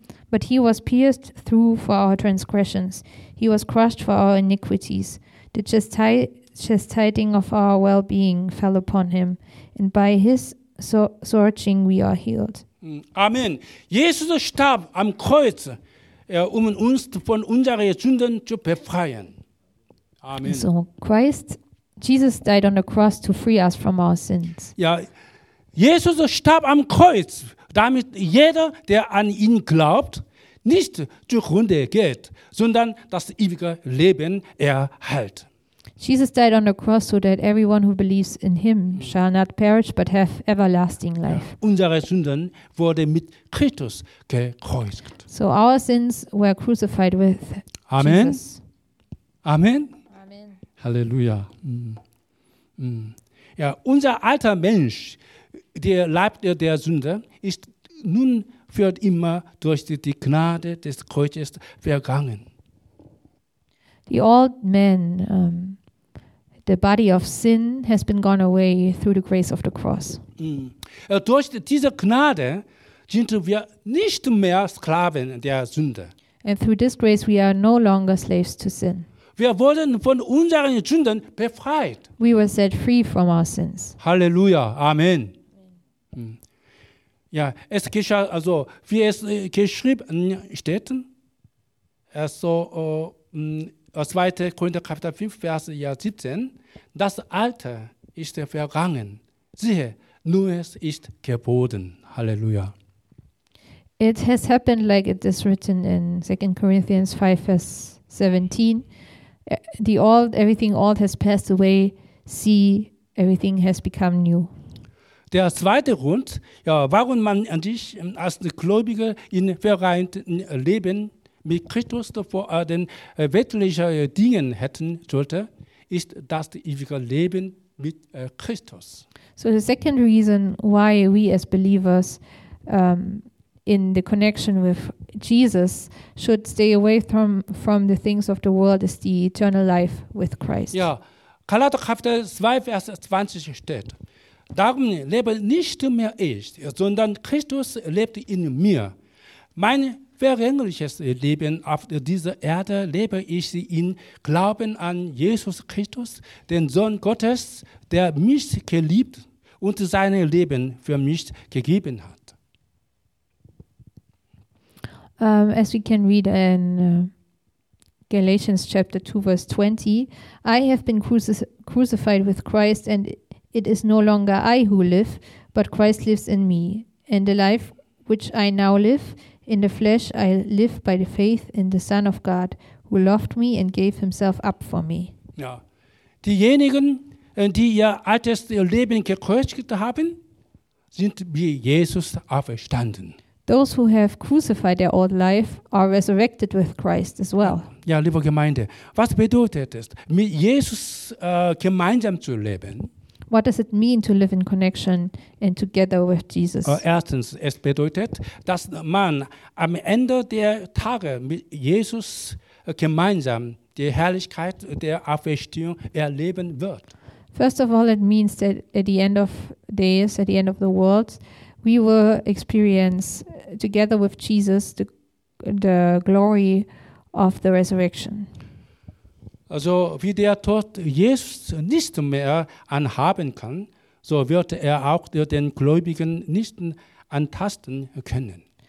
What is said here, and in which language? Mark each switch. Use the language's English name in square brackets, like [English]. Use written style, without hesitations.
[English] But he was pierced through for our transgressions. He was crushed for our iniquities. The chastising of our well-being fell upon him, and by his scourging we are healed. Amen. [German] Jesus starb am Kreuz, uns von unseren Sünden zu befreien. Amen. [English] So Christ, Jesus died on the cross to free us from our sins. [German] Ja, Jesus starb am Kreuz, damit jeder, der an ihn glaubt, nicht zugrunde geht, sondern das ewige Leben erhält. [English] Jesus died on the cross so that everyone who believes in him shall not perish but have everlasting life. [German] Ja, unsere Sünden wurden mit Christus gekreuzigt. [English] So our sins were crucified with Amen. Jesus. Amen. Halleluja. [German] Ja, unser alter Mensch, der Leib der Sünde, ist nun für immer durch die Gnade des Kreuzes vergangen. [English] The old man, the body of sin, has been gone away through the grace of the cross. [German] Durch diese Gnade sind wir nicht mehr Sklaven der Sünde. [English] And through this grace we are no longer slaves to sin. [German] Wir wurden von unseren Sünden befreit. [English] We were set free from our sins. Halleluja. Amen. [German] Ja, es geschah also, wie es geschrieben steht, also 2. Korinther Kapitel 5, Vers 17, das Alte ist vergangen. Siehe, Neues ist geboren. Halleluja. [English] It has happened like it is written in 2 Corinthians 5, Vers 17. Everything old has passed away. See, everything has become new. [German] Der zweite Grund, ja, warum man an sich als Gläubiger in vereinten Leben mit Christus vor den weltlichen Dingen hätten sollte, ist das ewige Leben mit Christus. [English] So the second reason why we as believers in the connection with Jesus should stay away from the things of the world is the eternal life with Christ. [German] Ja, Galater Kapitel 2, Vers 20 steht, darum lebe nicht mehr ich, sondern Christus lebt in mir. Mein vergängliches Leben auf dieser Erde lebe ich in Glauben an Jesus Christus, den Sohn Gottes, der mich geliebt und sein Leben für mich gegeben hat. [English] As we can read in Galatians chapter 2, verse 20, I have been crucified with Christ, and it is no longer I who live, but Christ lives in me. And the life which I now live in the flesh, I live by the faith in the Son of God, who loved me and gave himself up for me. [German] Ja. Diejenigen, die ihr altes Leben gekreuzigt haben, sind wie Jesus auferstanden. [English] Those who have crucified their old life are resurrected with Christ as well. [German] Ja, liebe Gemeinde, was bedeutet es, mit Jesus gemeinsam zu leben? [English] What does it mean to live in connection and together with Jesus? [German] Erstens, es bedeutet, dass man am Ende der Tage mit Jesus gemeinsam die Herrlichkeit der Auferstehung erleben wird. [English] First of all, it means that at the end of days, at the end of the world, we will experience together with Jesus the glory of the resurrection. [German] Also, wie der Tod Jesus nicht mehr anhaben kann, so wird er auch den Gläubigen nicht antasten können.